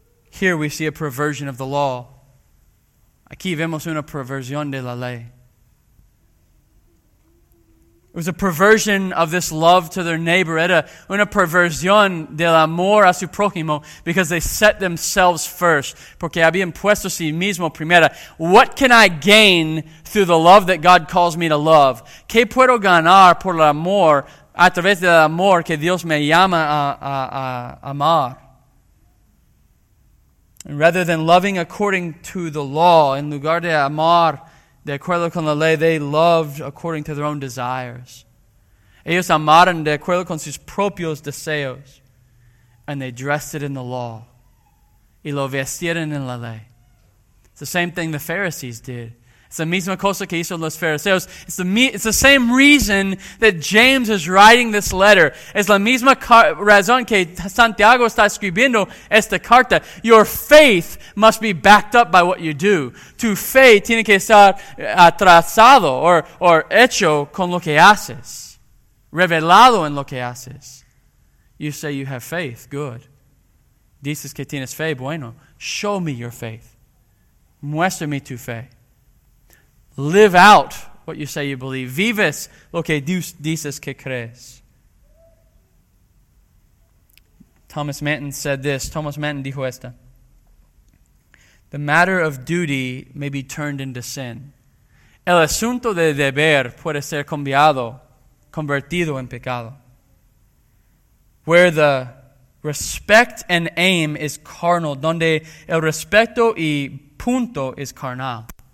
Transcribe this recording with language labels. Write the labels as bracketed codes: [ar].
[en] Here we see a perversion of the law. [es] Aquí vemos una perversión de la ley. [en] It was a perversion of this love to their neighbor. [es] Era una perversión del amor a su prójimo [en] because they set themselves first. [es] Porque habían puesto sí mismo primero. [en] What can I gain through the love that God calls me to love? [es] ¿Qué puedo ganar por el amor a través del amor que Dios me llama a amar? [en] And rather than loving according to the law, [es] en lugar de amar, de acuerdo con la ley, [en] they loved according to their own desires. [es] Ellos amaron de acuerdo con sus propios deseos. [en] And they dressed it in the law. [es] Y lo vestieron en la ley. [en] It's the same thing the Pharisees did. It's the [es] misma cosa que hizo los fariseos. [en] It's the same reason that James is writing this letter. [es] Es la misma razón que Santiago está escribiendo esta carta. [en] Your faith must be backed up by what you do. [es] Tu fe tiene que estar atrasado or hecho con lo que haces. Revelado en lo que haces. [en] You say you have faith. Good. [es] Dices que tienes fe. Bueno. [en] Show me your faith. [es] Muéstrame tu fe. [en] Live out what you say you believe. [es] Vives lo que dices que crees. [en] Thomas Manton said this. [es] Thomas Manton dijo esta. [en] The matter of duty may be turned into sin. [es] El asunto de deber puede ser cambiado, convertido en pecado. [en] Where the respect and aim is carnal, [es] donde el respeto y punto es carnal.